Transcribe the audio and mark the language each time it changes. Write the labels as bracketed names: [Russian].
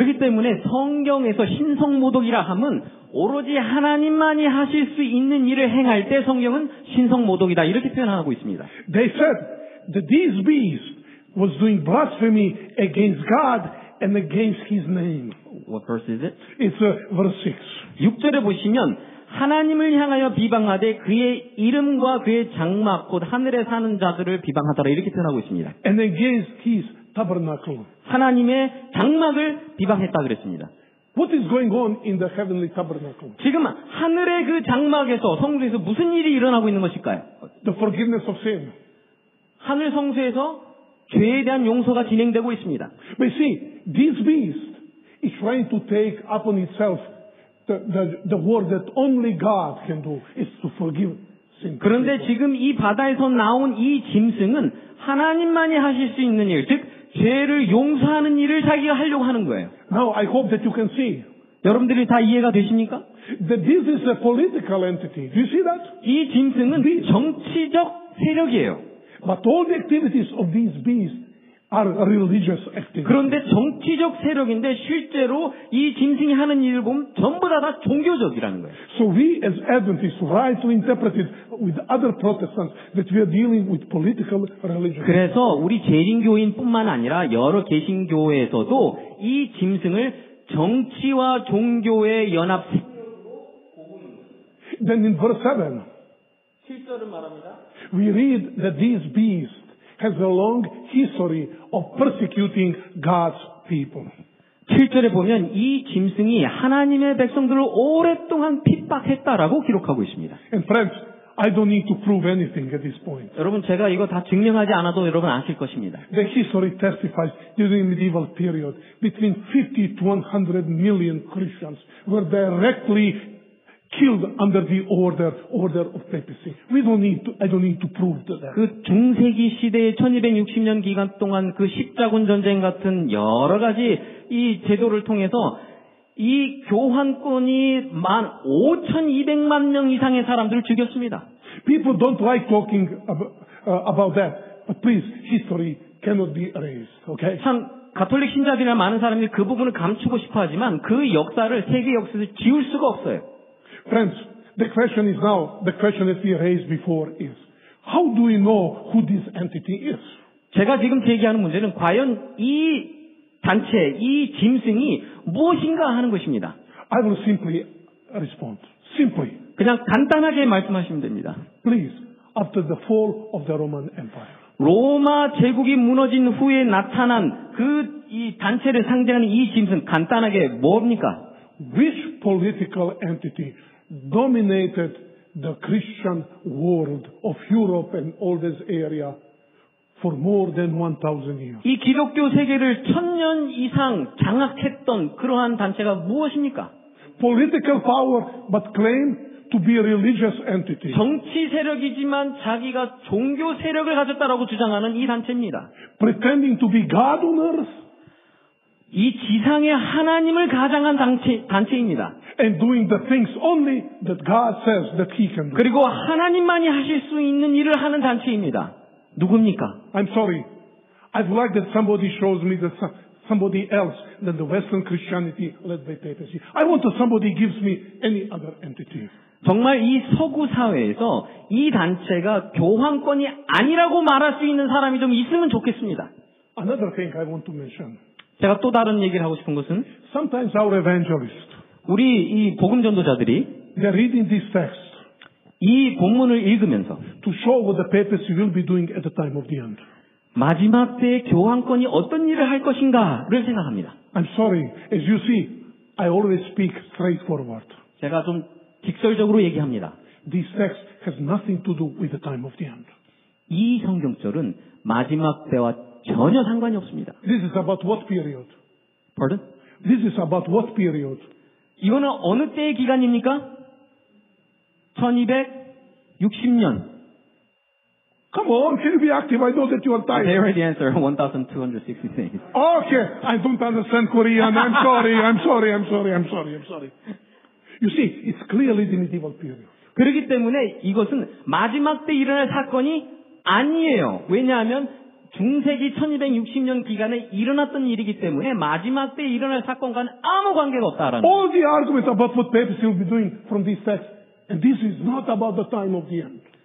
[Korean] 그렇기 때문에 성경에서 신성모독이라 함은 오로지 하나님만이 하실 수 있는 일을 행할 때 성경은 신성모독이다 이렇게 표현하고 있습니다. [English] They said that these beasts was doing blasphemy against God and against His name. What verse is it? It's verse 6. [Korean] 6절에 보시면 하나님을 향하여 비방하되 그의 이름과 그의 장막 곧 하늘에 사는 자들을 비방하더라 이렇게 표현하고 있습니다. [English] And against His tabernacle. [Korean] 하나님의 장막을 비방했다 그랬습니다. [English] What is going on in the heavenly tabernacle? [Korean] 지금 하늘의 그 장막에서 성소에서 무슨 일이 일어나고 있는 것일까요? [English] The forgiveness of sin. [Korean] 하늘 성소에서 죄에 대한 용서가 진행되고 있습니다. [English] But you see, this beast is trying to take upon itself the work that only God can do is to forgive sin. [Korean] 그런데 지금 이 바다에서 나온 이 짐승은 하나님만이 하실 수 있는 일, 즉 죄를 용서하는 일을 자기가 하려고 하는 거예요. [English] Now I hope that you can see. [Korean] 여러분들이 다 이해가 되십니까? [English] That this is a political entity. Do you see that? [Korean] 이 짐승은 beast. 정치적 세력이에요. [English] But all the activities of these beasts are religious activities. [Korean] 그런데 정치적 세력인데 실제로 이 짐승이 하는 일을 보면 전부 다 종교적이라는 거예요. [English] So we as Adventists rightly interpreted with other Protestants that we are dealing with political religion. [Korean] 그래서 우리 재림교인뿐만 아니라 여러 개신교에서도 이 짐승을 정치와 종교의 연합 [English] Then in verse 7. [Korean] 7절을 말합니다. [English] We read that these beasts has a long history of persecuting God's people. [Korean] 7절에 보면 이 짐승이 하나님의 백성들을 오랫동안 핍박했다라고 기록하고 있습니다. [English] And friends, I don't need to prove anything at this point. [Korean] 여러분 제가 이거 다 증명하지 않아도 여러분 아실 것입니다. [English] The history testifies during the medieval period between 50 to 100 million Christians were directly killed under the order of papacy. We don't need to, I don't need to prove that. [Korean] 그 중세기 시대의 1260년 기간 동안 그 십자군 전쟁 같은 여러 가지 이 제도를 통해서 이 교황권이 15,200만 명 이상의 사람들을 죽였습니다. [English] People don't like talking about that, but please, history cannot be erased, okay? [Korean] 참 가톨릭 신자들이나 많은 사람들이 그 부분을 감추고 싶어하지만 그 역사를 세계 역사에서 지울 수가 없어요. [English] Friends, the question is now, the question that we raised before is, how do we know who this entity is? [Korean] 제가 지금 제기하는 문제는 과연 이 단체, 이 짐승이 무엇인가 하는 것입니다. [English] I will simply respond. Simply. [Korean] 그냥 간단하게 말씀하시면 됩니다. [English] Please, after the fall of the Roman Empire. [Korean] 로마 제국이 무너진 후에 나타난 그 이 단체를 상징하는 이 짐승, 간단하게 뭡니까? [English] Which political entity dominated the Christian world of Europe and all this area for more than 1,000 years. [Korean] 이 기독교 세계를 천년 이상 장악했던 그러한 단체가 무엇입니까? [English] Political power, but claim to be a religious entity. [Korean] 정치 세력이지만 자기가 종교 세력을 가졌다라고 주장하는 이 단체입니다. [English] Pretending to be God on earth. [Korean] 이 지상의 하나님을 가장한 단체입니다. [English] And doing the things only that God says that He can do. [Korean] 그리고 하나님만이 하실 수 있는 일을 하는 단체입니다. 누굽니까? [English] I'm sorry. I'd like that somebody shows me that somebody else than the Western Christianity led by papacy. I want that somebody gives me any other entity. [Korean] 정말 이 서구 사회에서 이 단체가 교황권이 아니라고 말할 수 있는 사람이 좀 있으면 좋겠습니다. [English] Another thing I want to mention. [Korean] 제가 또 다른 얘기를 하고 싶은 것은 [English] Sometimes our evangelists, [Korean] 우리 이 복음 전도자들이 [English] they're reading this text, [Korean] 이 본문을 읽으면서 [English] to show what the papacy will be doing at the time of the end. [Korean] 마지막 때 교황권이 어떤 일을 할 것인가를 생각합니다. [English] I'm sorry, as you see, I always speak straightforward. [Korean] 제가 좀 직설적으로 얘기합니다. [English] This text has nothing to do with the time of the end. [Korean] 이 성경절은 마지막 때와 전혀 상관이 없습니다. [English] This is about what period? Pardon? This is about what period? [Korean] 이거는 어느 때의 기간입니까? 1260년. [English] Come on, can you be active? I know that you are tired. They already answered 1260 days. Okay, I don't understand Korean. I'm sorry, I'm sorry, I'm sorry, I'm sorry, I'm sorry. You see, it's clearly the medieval period. [Korean] 그렇기 때문에 이것은 마지막 때 일어날 사건이 아니에요. 왜냐하면 중세기 1260년 기간에 일어났던 일이기 때문에 마지막 때 일어날 사건과는 아무 관계가 없다라는 [English] All the arguments about what papacy will be doing from this text, and this is not about the time of the end.